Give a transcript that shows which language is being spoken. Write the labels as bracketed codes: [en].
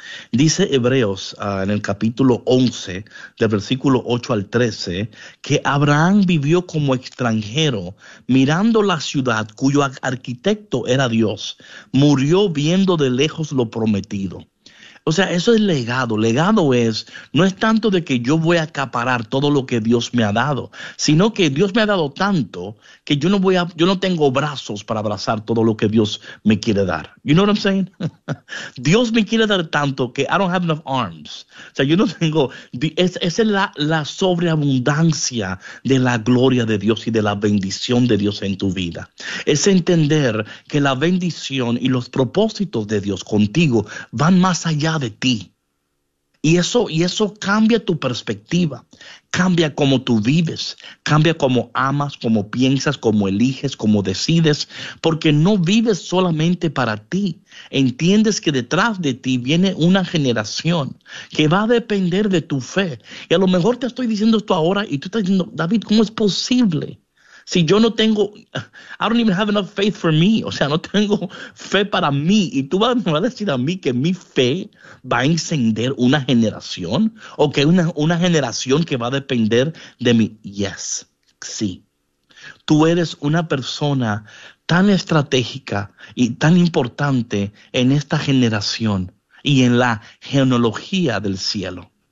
[es] Dice Hebreos en el capítulo 11, del versículo 8 al 13, que Abraham vivió como extranjero, mirando la ciudad cuyo arquitecto era Dios, murió viendo de lejos lo prometido. O sea, eso es legado. Legado es, no es tanto de que yo voy a acaparar todo lo que Dios me ha dado, sino que Dios me ha dado tanto que yo no tengo brazos para abrazar todo lo que Dios me quiere dar. [en] You know what I'm saying? [es] Dios me quiere dar tanto que [en] I don't have enough arms. [es] O sea, yo no tengo, esa es la sobreabundancia de la gloria de Dios y de la bendición de Dios en tu vida. Es entender que la bendición y los propósitos de Dios contigo van más allá de ti. Y eso cambia tu perspectiva, cambia cómo tú vives, cambia cómo amas, cómo piensas, cómo eliges, cómo decides, porque no vives solamente para ti. Entiendes que detrás de ti viene una generación que va a depender de tu fe. Y a lo mejor te estoy diciendo esto ahora y tú estás diciendo, David, ¿cómo es posible? Si yo no tengo, [en] I don't even have enough faith for me. [es] O sea, no tengo fe para mí. Y tú me vas a decir a mí que mi fe va a encender una generación o que una generación que va a depender de mí. Yes, sí. Tú eres una persona tan estratégica y tan importante en esta generación y en la genealogía del cielo.